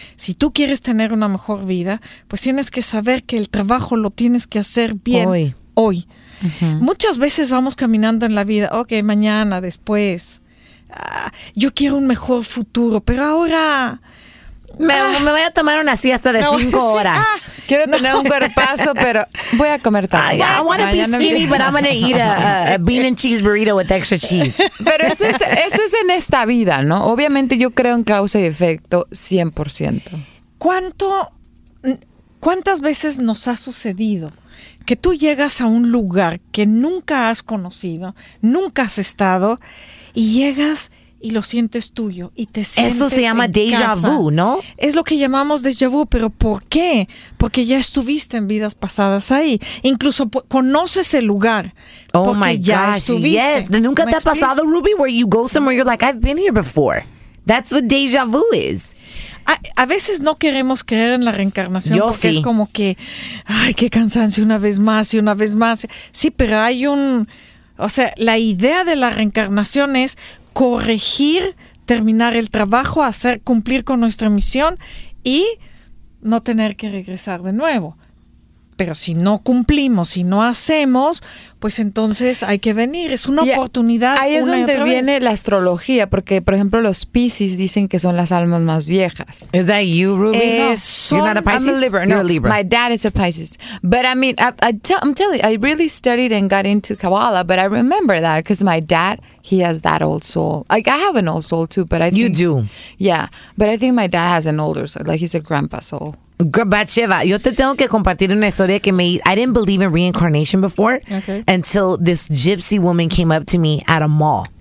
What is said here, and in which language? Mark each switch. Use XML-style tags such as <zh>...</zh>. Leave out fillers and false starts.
<es>Si tú quieres tener una mejor vida, pues tienes que saber que el trabajo lo tienes que hacer bien hoy. Uh-huh. Muchas veces vamos caminando en la vida, ok, mañana, después. Yo quiero un mejor futuro, pero ahora Me voy a tomar una siesta de 5 horas. Quiero tener un cuerpazo, pero voy a comer tarde.</es> <en>I want to be skinny, but I'm going to eat a bean and cheese burrito with extra cheese.</en> <es>Pero eso es en esta vida, ¿no? Obviamente yo creo en causa y efecto 100%. ¿Cuántas veces nos ha sucedido que tú llegas a un lugar que nunca has conocido, nunca has estado, y llegas y lo sientes tuyo y te sientes eso se llama en déjà vu, casa? ¿No? Es lo que llamamos déjà vu, pero ¿por qué? Porque ya estuviste en vidas pasadas ahí, incluso conoces el lugar.</es> <en>Oh my gosh, yes.</en> <es>¿Nunca te ha pasado,</es> <en>Ruby, where you go somewhere you're like, I've been here before? That's what déjà vu is.</en> <es>A veces no queremos creer en la reencarnación. Yo porque sí. Es como que ay, qué cansancio una vez más y una vez más. Sí, pero hay la idea de la reencarnación es corregir, terminar el trabajo, hacer cumplir con nuestra misión y no tener que regresar de nuevo. Pero si no cumplimos, si no hacemos, pues entonces hay que venir. Es una oportunidad. Ahí es donde viene la astrología, porque por ejemplo los Piscis dicen que son las almas más viejas.</es> <en>Is that you, Ruby? You're not a Pisces. I'm a Libra. You're a Libra. My dad is a Pisces. But I mean, I'm telling you, I really studied and got into Kabbalah, but I remember that because my dad, he has that old soul. Like I have an old soul too, but I think you do. Yeah, but I think my dad has an older soul. Like he's a grandpa soul. Batsheva,</en> <es>yo te tengo que compartir una historia que me...</es> <en>I didn't believe in reincarnation before until this gypsy woman came up to me at a mall.</en>